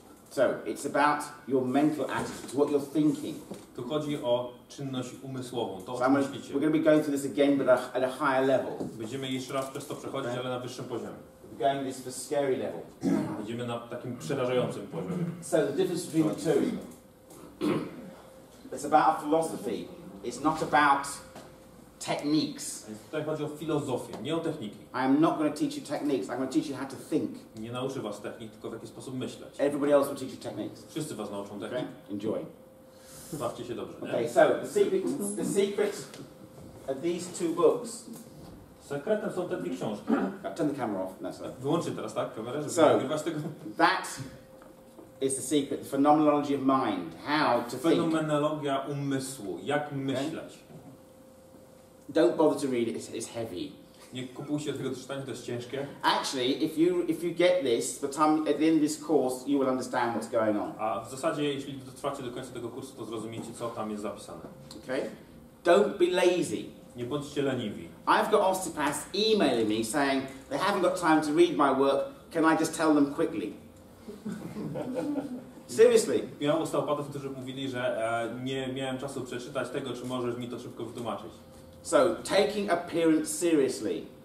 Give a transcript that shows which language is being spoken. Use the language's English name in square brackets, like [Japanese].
[English] So, it's about your mental attitude, what you're thinking. [Polish] Tu chodzi o czynność umysłową, to [English] so [Polish] o czym myślicie. [English] We're going to be going through this again, but at a higher level. [Polish] Będziemy jeszcze raz przez to przechodzić, ale na wyższym poziomie. [English] We're going this for scary level. [Polish] Będziemy na takim przerażającym poziomie. [English] So, the difference between the two. It's about a philosophy. It's not about techniques. [Polish] Tutaj chodzi o filozofię, nie o techniki. [English] I am not going to teach you techniques. I'm going to teach you how to think. [Polish] Nie nauczę was technik, tylko w jaki sposób myśleć. [English] Everybody else will teach you techniques. [Polish] Wszyscy was nauczą technik. [English] Okay? Enjoy. [Polish] Bawcie się dobrze, nie? [English] Okay, so the secret of these two books. [Polish] Sekretem są te dwie książki. [English] Turn the camera off. No, [Polish] wyłączy teraz, tak, kamerę, żeby [English] so, [Polish] nie grywasz tego. [English] That is the secret, the phenomenology of mind, how to think. [Polish] Fenomenologia umysłu, jak myśleć. [English] Don't bother to read it, it's heavy. [Polish] Nie kupuj się tego czytania, to jest ciężkie. [English] Actually, if you get this, at the end of this course, you will understand what's going on. [Polish] A w zasadzie, jeśli dotrwacie do końca tego kursu, to zrozumiecie, co tam jest zapisane. [English] Okay? Don't be lazy. [Polish] Nie bądźcie leniwi. [English] I've got osteopaths emailing me saying they haven't got time to read my work. Can I just tell them quickly? Seriously. [Polish] Miałem osteopatów, którzy mówili, że nie miałem czasu przeczytać tego, czy możesz mi to szybko wytłumaczyć. [English] So, taking appearance seriously.